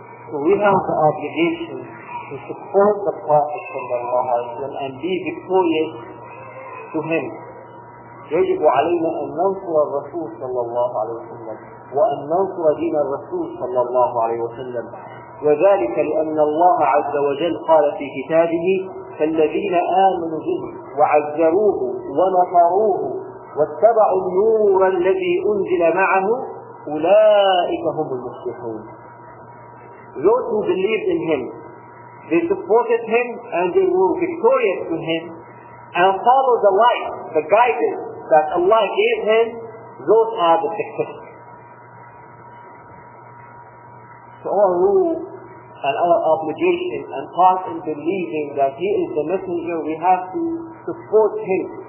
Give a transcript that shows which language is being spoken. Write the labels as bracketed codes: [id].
[en] So we have the obligation to support the Prophet and be victorious to him. [ar] يجب علينا أن ننصر الرسول صلى الله عليه وسلم وأن ننصر دين الرسول صلى الله عليه وسلم وذلك لأن الله عز وجل قال في كتابه فالذين آمنوا به وعزروه ونصروه واتبعوا النور الذي أنزل معه أولئك هم المفلحون. [en] Those who believed in him, they supported him and they were victorious to him and followed the light, the guidance that Allah gave him, those are the successors. So our rule and our obligation and part in believing that he is the messenger, we have to support him